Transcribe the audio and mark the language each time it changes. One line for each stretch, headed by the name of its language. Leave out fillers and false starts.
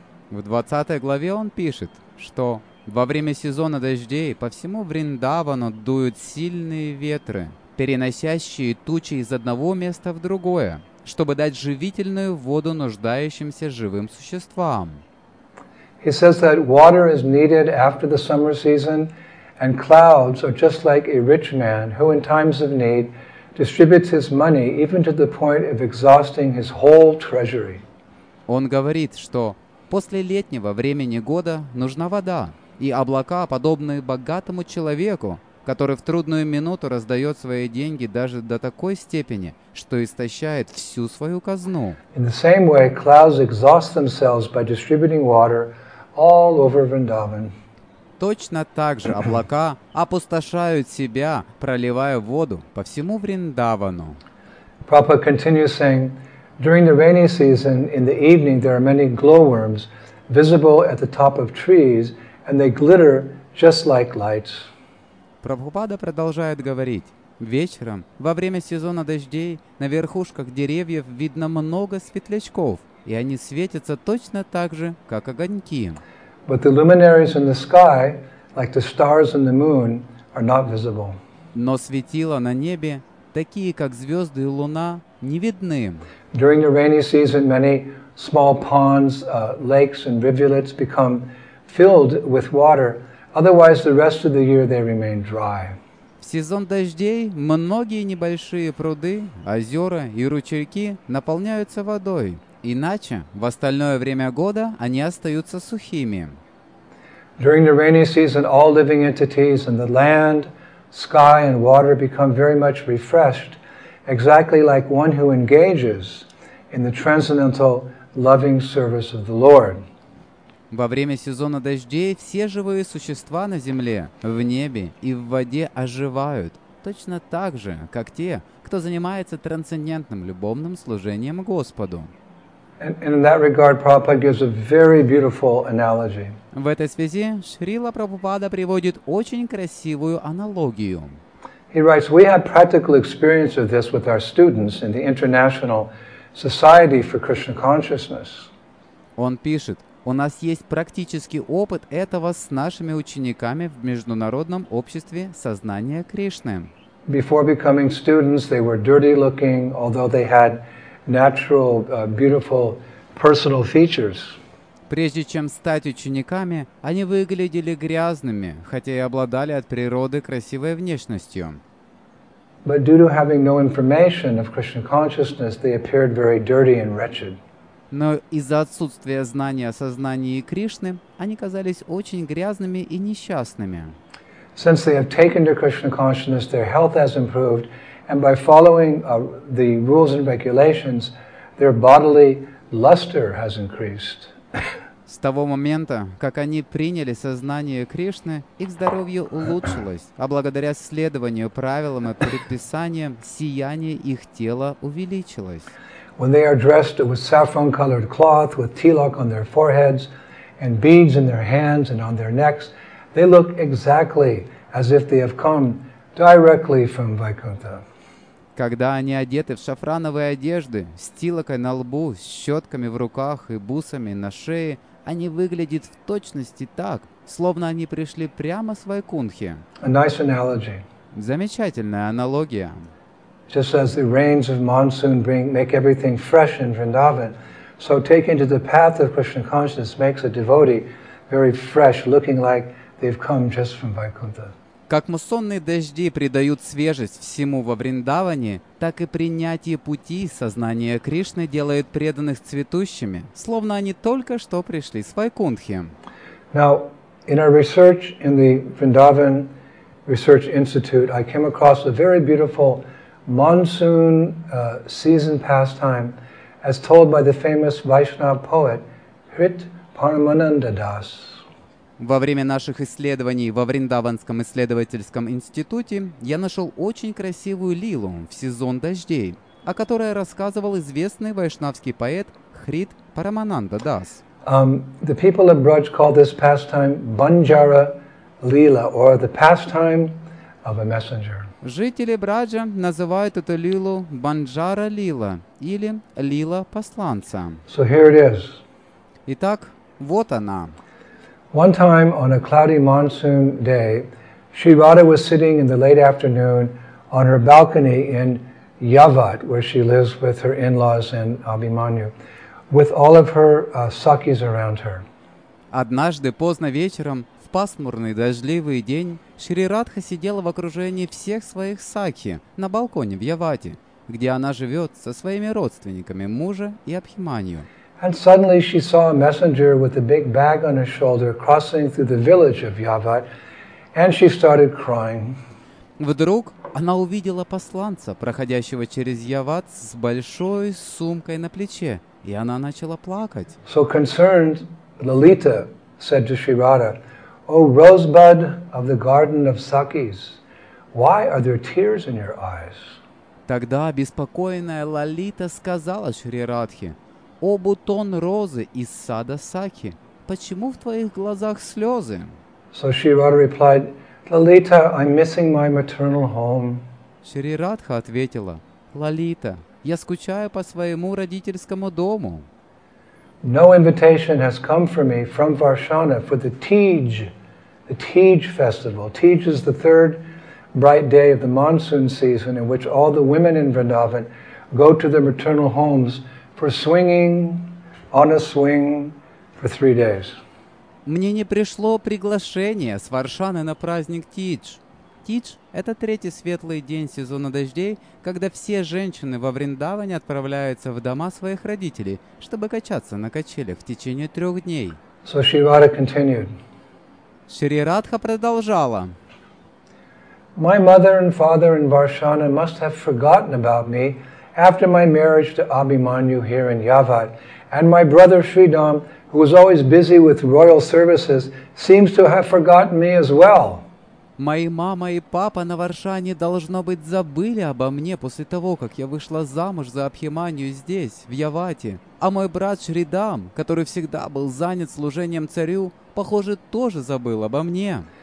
Russian: В 20 главе он пишет, что во время сезона дождей по всему Вриндавану дуют сильные ветры, переносящие тучи из одного места в другое, чтобы дать живительную воду нуждающимся живым существам.
English: He says that water is needed after the summer season, and clouds are just like a rich man who in times of need distributes his money even to the point of exhausting his whole treasury.
Russian: Он говорит, что после летнего времени года нужна вода, и облака, подобные богатому человеку, который в трудную минуту раздает свои деньги даже до такой степени, что истощает всю свою казну.
English: In the same way, clouds exhaust themselves by distributing water all over Vrindavan.
Russian: Точно так же облака опустошают себя, проливая воду по всему Вриндавану.
English: Prabhupada continues saying, during the rainy season, in the evening, there are many glowworms visible at the top of trees, and they glitter just like lights.
Russian: Прабхупада продолжает говорить, вечером, во время сезона дождей, на верхушках деревьев видно много светлячков, и они светятся точно так же, как огоньки.
English: But the luminaries in the sky, like the stars and the moon, are not visible.
Russian: Но светила на небе, такие как звезды и луна, не видны.
English: During the rainy season, many small ponds, lakes and rivulets become filled with water, otherwise the rest of the year they remain dry.
Russian: В сезон дождей многие небольшие пруды, озера и ручейки наполняются водой, иначе в остальное время года они остаются сухими.
English: During the rainy season, all living entities in the land, sky, and water become very much refreshed, exactly like one who engages in the transcendental loving service of the Lord.
Russian: Во время сезона дождей все живые существа на земле, в небе и в воде оживают, точно так же, как те, кто занимается трансцендентным любовным служением Господу.
English: And in that regard, Prabhupada gives a very beautiful analogy.
Russian: В этой связи Шрила Прабхупада приводит очень красивую аналогию.
English: He writes, "We have practical experience of this with our students in the International Society for Krishna Consciousness."
Russian: Он пишет: "У нас есть практический опыт этого с нашими учениками в Международном обществе сознания Кришны."
English: Before becoming students, they were dirty looking, although they had natural, beautiful personal features.
Russian: Прежде чем стать учениками, они выглядели грязными, хотя и обладали от природы красивой внешностью.
English: But due to having no information of Krishna consciousness, they appeared very dirty and wretched.
Russian: Но из-за отсутствия знания о сознании Кришны, они казались очень грязными и несчастными.
English: Since they have taken to Krishna consciousness, their health has improved, and by following the rules and regulations, their bodily luster has increased.
Russian: С того момента, как они приняли сознание Кришны, их здоровье улучшилось, а благодаря следованию правилам и предписаниям, сияние их тела увеличилось.
English: When they are dressed with saffron-colored cloth, with tilak on their foreheads, and beads in their hands and on their necks, they look exactly as if they have come directly from Vaikuntha.
Russian: Когда они одеты в шафрановые одежды, с тилакой на лбу, с щетками в руках и бусами на шее, они выглядят в точности так, словно они пришли прямо с Вайкунхи.
English: A nice analogy.
Russian: Замечательная аналогия.
English: Just as the rains of monsoon make everything fresh in Vrindavan, so taking to the path of Krishna consciousness makes a devotee very fresh, looking like they've come just from Vaikuntha.
Russian: Как муссонные дожди придают свежесть всему во Вриндаване, так и принятие пути сознания Кришны делает преданных цветущими, словно они только что пришли с Вайкунтхи.
English: Now, in our research in the Vrindavan Research Institute, I came across a very beautiful monsoon season pastime as told by the famous Vaishnava poet Hrit Paramananda Das.
Russian: Во время наших исследований во Вриндаванском исследовательском институте я нашел очень красивую лилу в сезон дождей, о которой рассказывал известный вайшнавский поэт Хрит Парамананда Дас.
English: The people of Braj call this pastime Banjara Lila, or the pastime of a messenger.
Russian: Жители Браджа называют эту лилу Банджара Лила или Лила Посланца.
English: So here it is.
Russian: Итак, вот она.
English: One time on a cloudy monsoon day, Sri Radha was sitting in the late afternoon on her balcony in Yavat, where she lives with her in-laws and Abhimanyu, with all of her sakis around her.
Russian: Однажды поздно вечером, в пасмурный дождливый день, Шри Радха сидела в окружении всех своих сакхи на балконе в Явате, где она живет со своими родственниками, мужа и Абхиманью.
English: And suddenly she saw a messenger with a big bag on her shoulder crossing through the village of Yavat, and she started crying.
Russian: Вдруг она увидела посланца, проходящего через Яват, с большой сумкой на плече, и она начала плакать.
English: So concerned, Lalita said to Sri Radha, "O rosebud of the garden of Sakis, why are there tears in your eyes?"
Russian: Тогда обеспокоенная Лалита сказала Шри Радхе: «О, бутон розы из сада Сакхи, почему в твоих глазах слезы?»
English: So Shri Radha replied, «Lalita, I'm missing my maternal home».
Russian: Шри Радха ответила: «Лалита, я скучаю по своему родительскому дому».
English: No invitation has come for me from Varshana for the Tej festival. Tej is the third bright day of the monsoon season in which all the women in Vrindavan go to their maternal homes for swinging on a swing for 3 days.
Russian: Мне не пришло приглашение с Варшаны на праздник Тидж. Тидж – это третий светлый день сезона дождей, когда все женщины во Вриндаване отправляются в дома своих родителей, чтобы качаться на качелях в течение 3 дней.
English: So Shri Radha continued.
Russian: Шри Радха продолжала.
English: My mother and father in Varshana must have forgotten about me after my marriage to Abhimanyu here in Yavat, and my brother Sridham, who was always busy with royal services, seems to have forgotten me as well.
Russian: Мои мама и папа на Варшане, должно быть, забыли обо мне после того, как я вышла замуж за Абхиманию здесь, в Явате. А мой брат Шридам, который всегда был занят служением царю, похоже, тоже забыл обо мне.